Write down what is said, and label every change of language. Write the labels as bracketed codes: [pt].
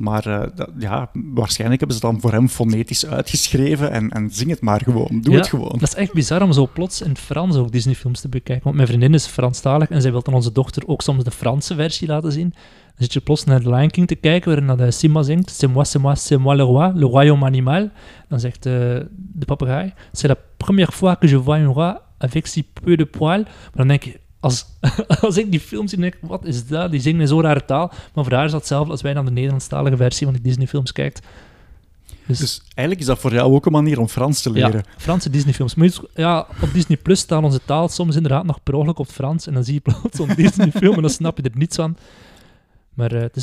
[nl] Maar waarschijnlijk hebben ze dan voor hem fonetisch uitgeschreven en zing het maar gewoon. Doe het gewoon. Dat is echt bizar om zo plots in het Frans ook Disneyfilms te bekijken. Want mijn vriendin is Franstalig. En zij wilde onze dochter ook soms de Franse versie laten zien. Dan zit je plots naar The Lion King te kijken, waarin dat Simba zingt. [fr] C'est moi le royaume animal. [nl] Dan zegt de papegaai. [fr] C'est la première fois que je vois un roi avec si peu de poils. [nl] Maar dan denk je, als ik die film zie, denk ik, wat is dat? Die zingen in zo'n rare taal. Maar voor haar is dat hetzelfde als wij naar de Nederlandstalige versie van die Disneyfilms kijkt. Dus eigenlijk is dat voor jou ook een manier om Frans te leren. Ja, Franse Disneyfilms. Maar op Disney Plus staat onze taal soms inderdaad nog per ongeluk op Frans. En dan zie je plots zo'n Disneyfilm en dan snap je er niets van. Maar het is